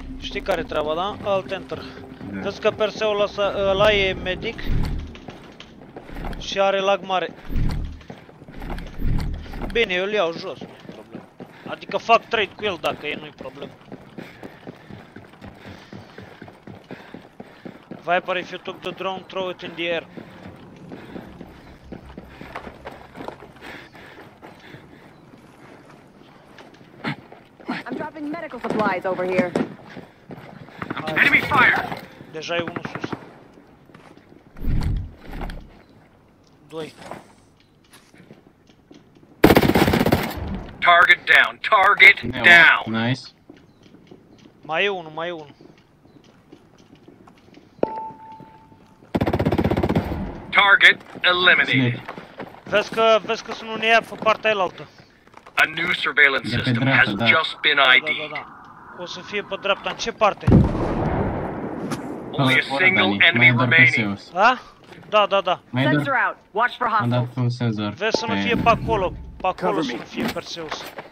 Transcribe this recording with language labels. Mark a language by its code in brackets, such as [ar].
[ro] Știi care e treaba, da? Alt enter. Vezi că Perseul ăla e medic și are lag mare. Bine, eu îl iau jos, nu-i problemă. Adică fac trade cu el dacă e, nu-i problemă. [en] Viper, if you took the drone, throw it in the air. I'm dropping medical supplies over here. Enemy fire! [ro] Deja e unul sus. Doi. [en] Target down, target down! Nice. [ro] Mai e unul, mai e unul. [en] Target eliminated. [ro] Vezi că sunt unii aia pe partea elaltă. [en] A new surveillance system has just been ID'd. [ro] O să fie pe dreapta, în ce parte? [en] Only a single enemy remaining. [ro] Ha? Da. [en] Sensor out. Watch for hostiles. [ro] Vezi să nu fie pe acolo. Pe acolo să nu fie Perseus.